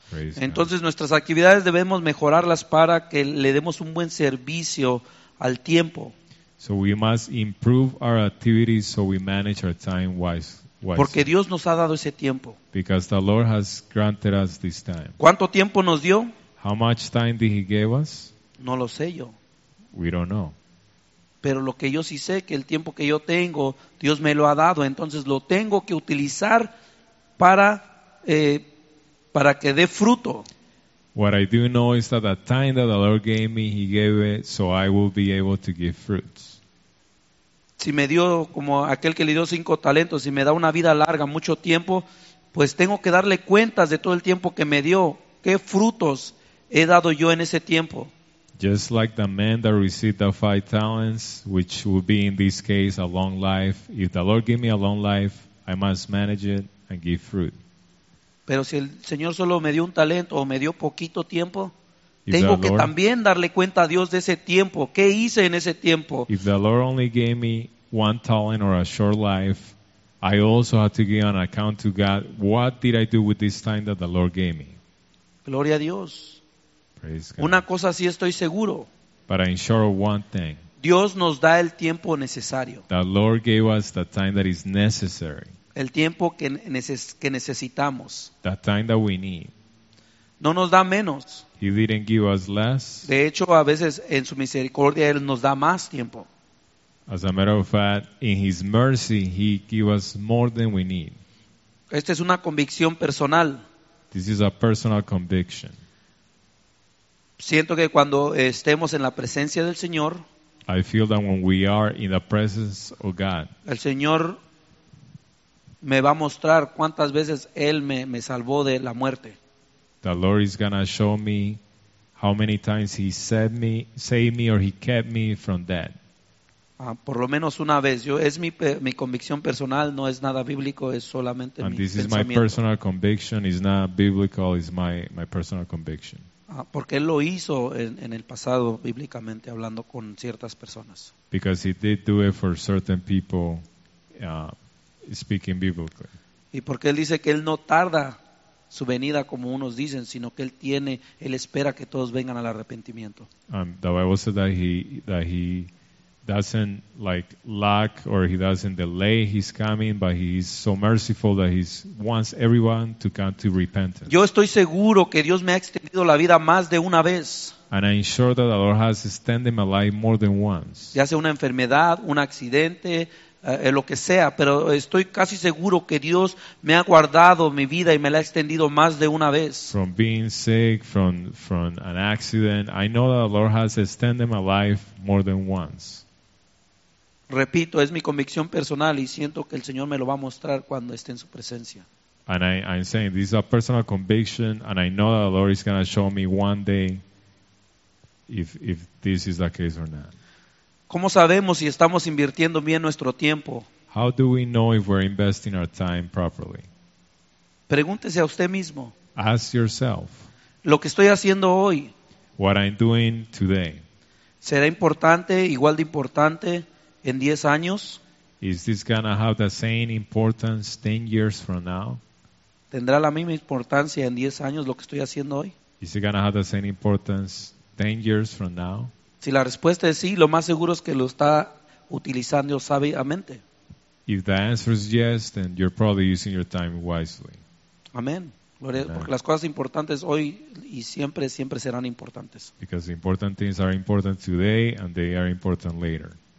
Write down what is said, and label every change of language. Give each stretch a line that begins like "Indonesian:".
Spanish: Entonces nuestras actividades debemos mejorarlas para que le demos un buen servicio al tiempo.
English: So we must improve our activities so we manage our time wisely.
Spanish: Porque Dios nos ha dado ese tiempo.
English: Because the Lord has granted us this time.
Spanish: ¿Cuánto tiempo nos dio?
English: How much time did He give us?
Spanish: No lo sé yo.
English: We don't know.
Spanish: Pero lo que yo sí sé que el tiempo que yo tengo, Dios me lo ha dado, entonces lo tengo que utilizar para que dé fruto.
English: What I do know is that the time that the Lord gave me, He gave it so I will be able to give fruits.
Spanish: Si me dio como aquel que le dio 5 talentos, si me da una vida larga, mucho tiempo, pues tengo que darle cuentas de todo el tiempo que me dio. ¿Qué frutos he dado yo en ese tiempo?
English: Just like the man that received the 5 talents, which would be in this case a long life. If the Lord gave me a long life, I must manage it and give fruit.
Spanish: Pero si el Señor solo me dio un talento o me dio poquito tiempo, tengo que también darle cuenta a Dios de ese tiempo. ¿Qué hice en ese tiempo?
English: If the Lord only gave me 1 talent or a short life, I also have to give an account to God. What did I do with this time that the Lord gave me?
Spanish: Gloria a Dios.
English: Praise God.
Spanish: Una cosa sí estoy seguro.
English: But I'm sure of one thing.
Spanish: Dios nos da el tiempo necesario.
English: The Lord gave us the time that is necessary.
Spanish: El tiempo que necesitamos.
English: The time that we need.
Spanish: No nos da menos.
English: He didn't give us less.
Spanish: De hecho, a veces en su misericordia Él nos da más tiempo.
English: As a matter of fact, in His mercy, He gave us more than we need.
Spanish: Esta es una convicción personal.
English: This is a personal conviction.
Spanish: Siento que cuando estemos en la presencia del Señor,
English: I feel that when we are in the presence of God,
Spanish: el Señor me va a mostrar cuántas veces Él me salvó de la muerte.
English: The Lord is going to show me how many times He saved me or He kept me from death.
Spanish: Por lo menos una vez. Es mi convicción personal, no es nada bíblico, es solamente mi pensamiento.
English: And this is my personal conviction. It's not biblical, it's my personal conviction.
Spanish: Porque Él lo hizo en el pasado, bíblicamente, hablando con ciertas personas.
English: Because He did do it for certain people, speaking biblically.
Spanish: Y porque Él dice que Él no tarda su venida como unos dicen, sino que Él espera que todos vengan al arrepentimiento.
English: The Bible says that he doesn't like lack or He doesn't delay His coming, but He is so merciful that He wants everyone to come to repentance.
Spanish: Yo estoy seguro que Dios me ha extendido la vida más de una vez.
English: And I'm sure that the Lord has extended my life more than once.
Spanish: Ya sea una enfermedad, un accidente, lo que sea, pero estoy casi seguro que Dios me ha guardado mi vida y me la ha extendido más de una vez.
English: From being sick, from an accident, I know that the Lord has extended my life more than once.
Spanish: Repito, es mi convicción personal y siento que el Señor me lo va a mostrar cuando esté en su presencia.
English: And I'm saying this is a personal conviction, and I know that the Lord is going to show me one day if this is the case or not.
Spanish: ¿Cómo sabemos si estamos invirtiendo bien nuestro tiempo?
English: How do we know if we're investing our time properly?
Spanish: Pregúntese a usted mismo.
English: Ask yourself.
Spanish: Lo que estoy haciendo hoy.
English: What I'm doing today.
Spanish: ¿Será importante, igual de importante, en 10 años?
English: Is this gonna have the same importance 10 years from now?
Spanish: ¿Tendrá la misma importancia en 10 años lo que estoy haciendo hoy?
English: Is it gonna have the same importance 10 years from now?
Spanish: Si la respuesta es sí, lo más seguro es que lo está utilizando sabiamente.
English: If the answer is yes, then you're probably using your time wisely.
Spanish: Amén. Porque las cosas importantes hoy y siempre serán importantes.
English: Because the important things are important today and they are important later.